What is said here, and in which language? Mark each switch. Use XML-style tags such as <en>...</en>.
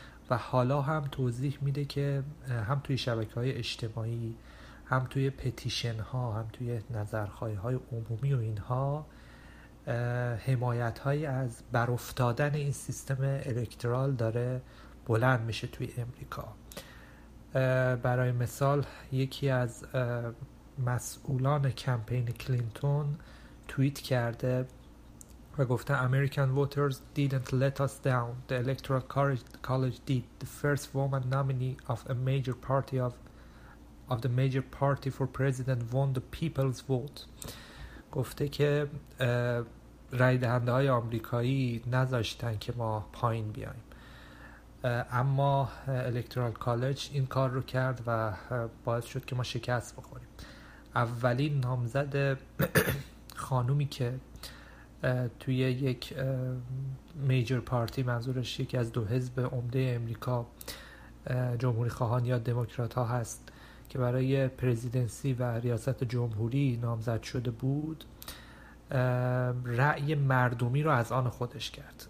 <fa>و حالا هم توضیح میده که هم توی شبکه های اجتماعی، هم توی پتیشن ها، هم توی نظرخواهی های عمومی و اینها حمایت های از برافتادن این سیستم الکترال داره بلند میشه توی امریکا. برای مثال یکی از مسئولان کمپین کلینتون توییت کرده و گفته</fa> <en>American voters didn't let us down. The Electoral College did. The first woman nominee of a major party of the major party for president won the people's vote.</en> <fa>گفته که رای دهنده های آمریکایی نذاشتن که ما پایین بیایم. اما Electoral College این کار رو کرد و باعث شد که ما شکست بخوریم. اولین نامزد خانومی که توی یک میجر پارتی، منظورش یکی از دو حزب عمده امریکا، جمهوری خواهان یا دموکرات ها هست، که برای پرزیدنسی و ریاست جمهوری نامزد شده بود، رأی مردمی رو از آن خودش کرد.</fa>